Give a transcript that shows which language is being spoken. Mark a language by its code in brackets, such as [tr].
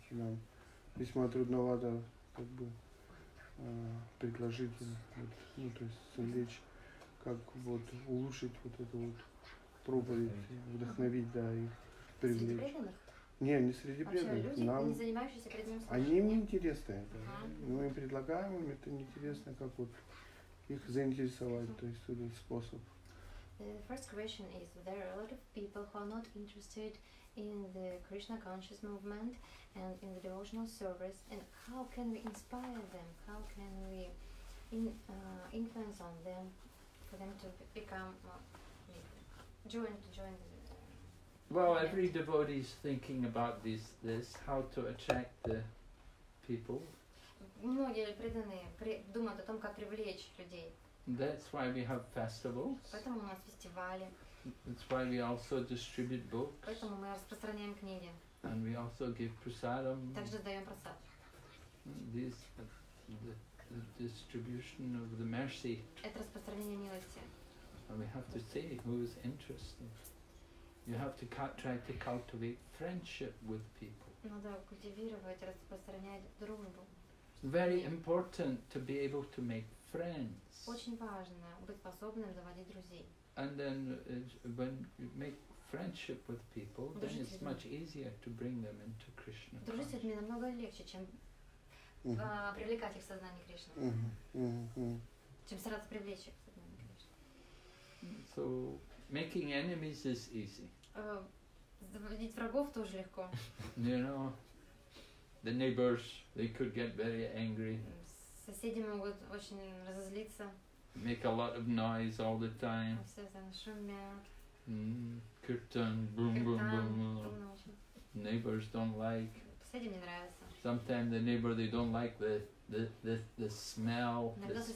[ru] И нам весьма трудновато, как бы, предложить, вот, ну, то есть, совлечь, как вот улучшить вот эту вот проповедь, вдохновить, да, их привлечь. Не, не среди преданных. Вообще, люди, не занимающиеся преданным служением. Они им интересны. Да. Мы им предлагаем, им это неинтересно, как вот их заинтересовать, то есть этот способ. [en] The first question is, there are a lot of people who are not interested in the Krishna conscious movement and in the devotional service, and how can we inspire them? How can we influence on them for them to become join the Well, every devotee is thinking about this, how to attract the people. [ru] Многие преданные думают о том, как привлечь людей. [en] That's why we have festivals. [ru] Поэтому у нас фестивали. [en] That's why we also distribute books. [ru] Поэтому мы распространяем книги. [en] And we also give prasadam. [ru] Также даем прасад. [en] This the distribution of the mercy. [ru] Это распространение милости. [en] And we have to see who is interested. You have to try to cultivate friendship with people. [ru] Надо культивировать, распространять дружбу. [en] Very important to be able to make friends. [ru] Очень важно быть способным заводить друзей. [en] And then when you make friendship with people, then it's much easier to bring them into Krishna. [ru] Дружить с людьми намного легче, чем привлекать их в сознание Кришны. Чем стараться привлечь их в сознание Кришны. [en] So making enemies is easy. [ru] Заводить врагов тоже легко. [en] You know, the neighbors, they could get very angry. [ru] Соседи могут очень разозлиться. [en] Make a lot of noise all the time. [ru] Все там шумят. [en] Kirtan, boom, boom, boom. Neighbors don't like. [ru] Соседи не нравятся. [en] Sometimes the neighbor, they don't like the smell, the spices.